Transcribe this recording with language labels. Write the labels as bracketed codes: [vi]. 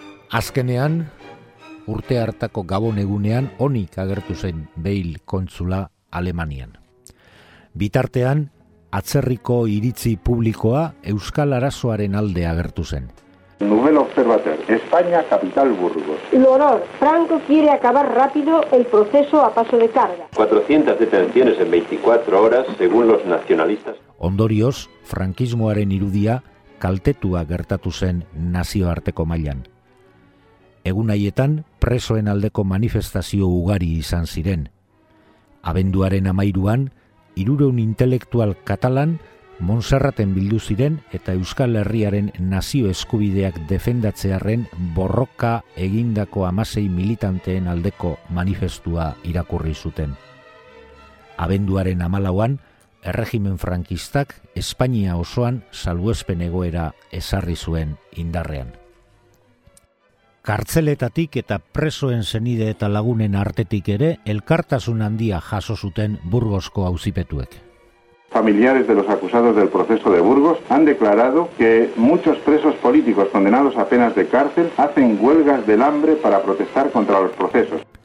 [eu] Azkenean, urte hartako gabon egunean, onik agertu zen Bale kontsula Alemanian. Bitartean, atzerriko iritzi publikoa euskal arazoaren alde agertu zen. [es] Nouvel Observateur, España, capital Burgos. L'horror, Franco quiere acabar rápido el proceso a paso de carga. 400 detenciones en 24 horas, según los nacionalistas. [eu] Ondorioz, frankismoaren irudia kaltetua gertatu zen nazioarteko mailan. Egun haietan, presoen aldeko manifestazio ugari izan ziren. Abenduaren 13an, 300 intelektual katalan, Montserraten bildu ziren eta Euskal Herriaren nazio eskubideak defendatzearen borroka egindako 16 militanteen aldeko manifestua irakurri zuten. Abenduaren 14an, erregimen frankistak Espainia osoan salbuespen egoera ezarri zuen indarrean. Kartzeletatik eta presoen senide eta lagunen artetik ere elkartasun handia jaso zuten Burgosko auzipetuek. [es] Familiares de los acusados del proceso de Burgos han declarado que muchos presos políticos condenados a penas de cárcel hacen huelgas del hambre para protestar contra los procesos.